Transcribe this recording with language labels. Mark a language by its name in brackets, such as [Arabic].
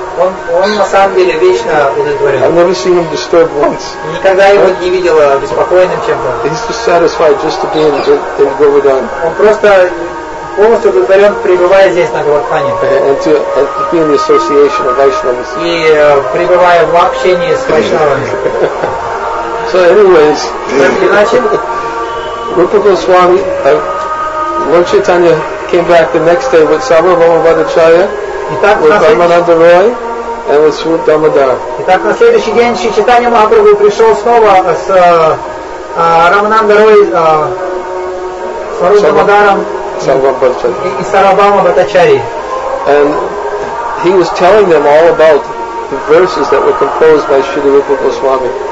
[Russian] Он на самом деле вечно удовлетворен. [English] I've never seen him disturbed once. [Russian] Никогда его не видел обеспокоенным чем-то. [English] He's just satisfied just to be in the Govardhan. [Russian] Он просто полностью удовлетворен, пребывая здесь, на Говардхане. [English] And to be in the association of Vaishnavas. [Russian] И пребывая в общении с Вайшнавами. [English] So anyways, [Russian] иначе, [English] Rupa Goswami, Lord Chaitanya came back the next day with Sarvabhauma Bhattacharya, with Paramananda Roy, and with Swarup Damodar. [Russian] Итак, на следующий день Шри Чайтанья Махапрабху пришел снова с Рамананда Рой, Сварупом Дамодаром, [English] Sarvabhauma Bhattacharya. And he was telling them all about the verses that were composed by Shri Rupa Goswami.